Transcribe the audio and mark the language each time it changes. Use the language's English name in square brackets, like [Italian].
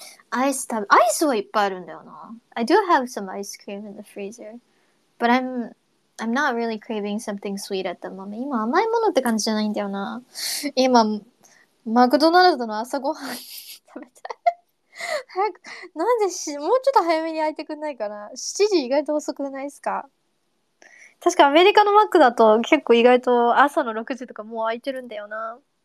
[Japanese] アイスはいっぱいあるんだよな。 [English] I do have some ice cream in the freezer. But I'm not really craving something sweet at the moment. [Japanese] 今甘いものって感じじゃないんだよな。今、マクドナルドの朝ごはん 食べたい。早く、なんでし、もうちょっと早めに開いてくんないかな。 7時意外と遅くないですか？確かアメリカのマックだと結構意外と朝の6時とかもう開いてるんだよな。